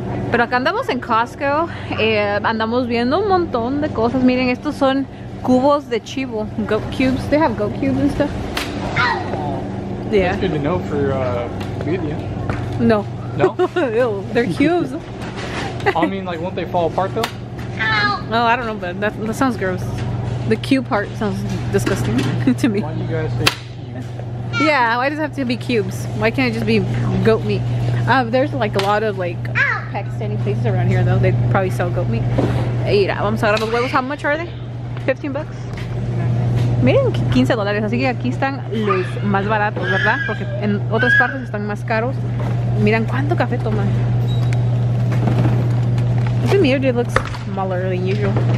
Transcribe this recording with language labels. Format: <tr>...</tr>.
<es>Pero acá andamos en Costco. Andamos viendo un montón de cosas. Miren, estos son cubos de chivo.</es> <en>Goat cubes. They have goat cubes and stuff. Yeah. That's good to know for media. No. No. Ew, they're cubes. I mean, like, won't they fall apart though? No, oh, I don't know, but that sounds gross. The cube part sounds disgusting to me. Why do you guys say cube? Yeah, why does it have to be cubes? Why can't it just be goat meat? There's like a lot of like Pakistani places around here though. They probably sell goat meat.</en> <es>Mira, vamos a ver los huevos.</es> <en>How much are they? 15 bucks?</en> <es>Miren, $15. Así que aquí están los más baratos, ¿verdad? Porque en otras partes están más caros. Miren, ¿cuánto café toman?</es> <en>The mirror dude looks smaller than usual.</en>